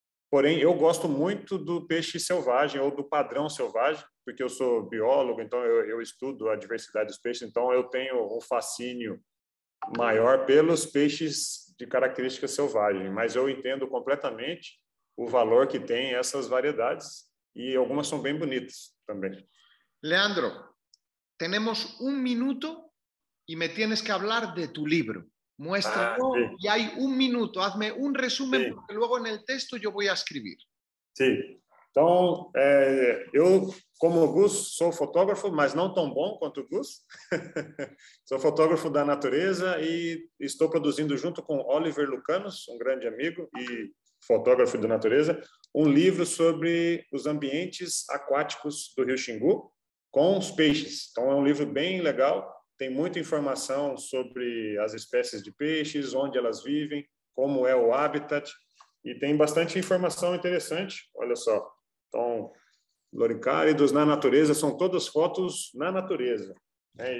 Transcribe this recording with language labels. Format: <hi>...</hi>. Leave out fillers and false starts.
<pt>Porém, eu gosto muito do peixe selvagem ou do padrão selvagem, porque eu sou biólogo, então eu estudo a diversidade dos peixes, então eu tenho um fascínio maior pelos peixes de característica selvagem. Mas eu entendo completamente o valor que tem essas variedades, e algumas são bem bonitas também.</pt> <es>Leandro, tenemos un minuto y me tienes que hablar de tu libro. Muéstralo, y hay un minuto. Hazme un resumen, porque luego en el texto yo voy a escribir. Sí. Entonces, yo, como Gus, soy fotógrafo, mas no tan</es> <pt>bom quanto</pt> <es>Gus. Soy fotógrafo</es> <pt>da natureza</pt> <es>y estoy produciendo junto con Oliver Lucanos, un grande amigo y fotógrafo da natureza, un libro sobre los ambientes acuáticos</es> <pt>do Rio Xingu com os peixes. Então, é um livro bem legal, tem muita informação sobre as espécies de peixes, onde elas vivem, como é o habitat, e tem bastante informação interessante. Olha só, então, loricáridos na natureza, são todas fotos na natureza, né?</pt>